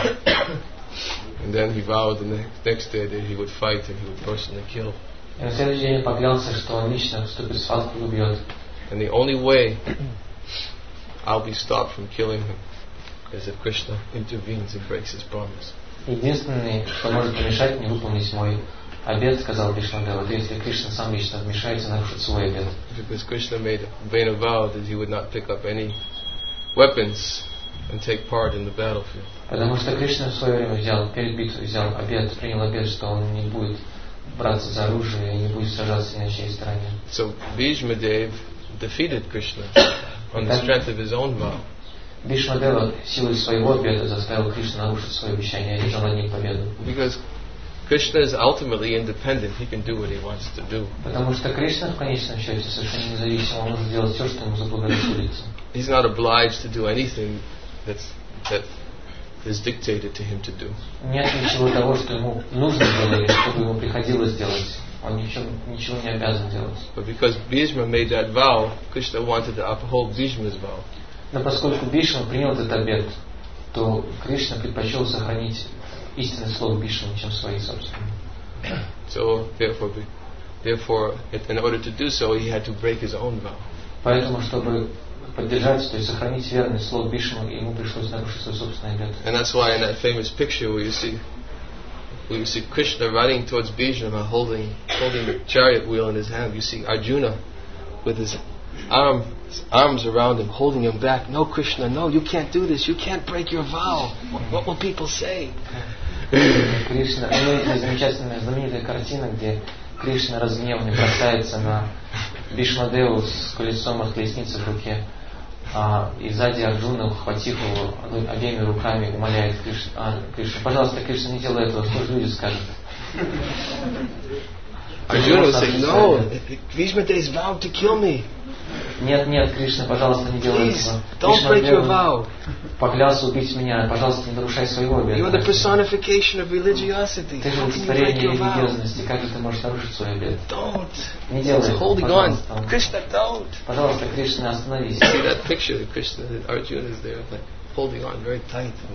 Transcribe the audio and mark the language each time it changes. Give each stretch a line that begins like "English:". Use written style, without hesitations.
English: And then he vowed the next day that he would fight and he would personally kill. And the only way I'll be stopped from killing him is if Krishna intervenes and breaks his promise.
Russian: Единственное, что может помешать мне выполнить мой обет, сказал Вишнадева, да если Кришна сам лично вмешается, нарушит свой обет.
English: Because Krishna made Vena vow that he would not pick up any weapons and take part in the battlefield.
Russian: Потому что Кришна в свое время взял перед битвой взял обет, принял обет, что он не будет браться за оружие и не будет сражаться ни на чьей стороне.
English: So Bhishmadev defeated Krishna on the strength of his own vow.
Russian: Бхишмадева силой своего обета заставил Кришну нарушить свое обещание и одержал над ним победу.
English: Because Krishna is ultimately independent. He can do what he wants to do.
Russian: Потому что Кришна в конечном счете совершенно независим. Он может делать все, что ему заблагорассудится.
English: He's not obliged to do anything that is dictated to him to do.
Russian: Нет ничего того, что ему нужно делать, чтобы ему приходилось делать. Он ничего не обязан делать.
English: But because Bhishma made that vow, Krishna wanted to uphold Bhishma's vow.
Russian: Но поскольку Бхишма принял этот обет, то Кришна предпочел сохранить истинное слово Бхишмы, чем свои собственные.
English: So therefore, in order to do so, he had to break his own vow.
Russian: Поэтому, чтобы поддержать, то есть сохранить верное слово Бхишмы, ему пришлось нарушить свой собственный обет.
English: And that's why in that famous picture where you see Krishna running towards Bhishma, holding the chariot wheel in his hand, you see Arjuna with his arms around him, holding him back. No, Krishna, no, you can't do this. You can't break your vow. What will people say?
Russian: Кришна, это замечательная, знаменитая картина, где Кришна разгневанный бросается на Бхишмадеву с колесом от колесницы в руке, и сзади Арджуна, ухватив его обеими руками, умоляет Кришну, пожалуйста, Кришна, не делай этого, что люди скажут.
English: Арджуна said, no, Бхишмадев is vowed to kill me.
Russian: Нет, нет, Кришна, пожалуйста, не делай этого.
English: Don't break your vow.
Russian: Поклялся убить меня, пожалуйста, не нарушай своего обета.
English: You are the personification of religiosity.
Russian: Ты же олицетворение религиозности. Как же ты можешь нарушить свой обет?
English: Don't.
Russian: Не делай этого, пожалуйста.
English: Krishna, don't.
Russian: Пожалуйста, Кришна, остановись.
English: See that picture of Krishna, Arjuna is there, like holding on very tight.